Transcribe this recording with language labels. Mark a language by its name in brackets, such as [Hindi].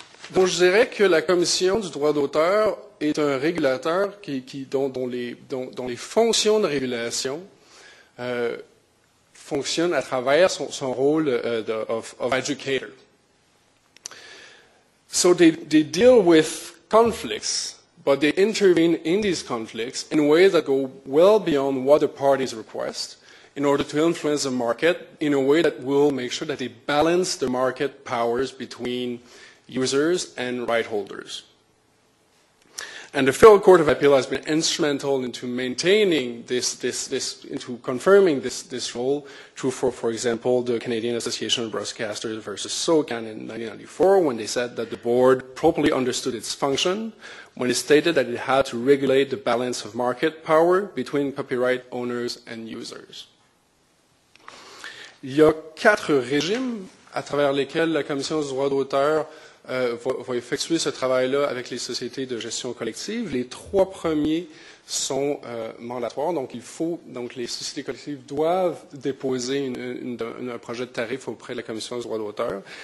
[French] Donc, je dirais que la commission du droit d'auteur est un régulateur dont les fonctions de régulation fonctionnent à travers son rôle [English] of educator. So they deal with conflicts, but they intervene in these conflicts in ways that go well beyond what the parties request in order to influence the market in a way that will make sure that they balance the market powers between users and right holders. And the Federal Court of Appeal has been instrumental into maintaining this, into confirming this role, through, for example, the Canadian Association of Broadcasters versus SOCAN in 1994, when they said that the board properly understood its function, when it stated that it had to regulate the balance of market power between copyright owners and users. [French] Il y a 4 régimes à travers lesquels la Commission des droits d'auteur va effectuer ce travail-là avec les sociétés de gestion collective. Les 3 premiers sont mandatoires, donc les sociétés collectives doivent déposer un projet de tarif auprès de la Commission des droits d'auteur.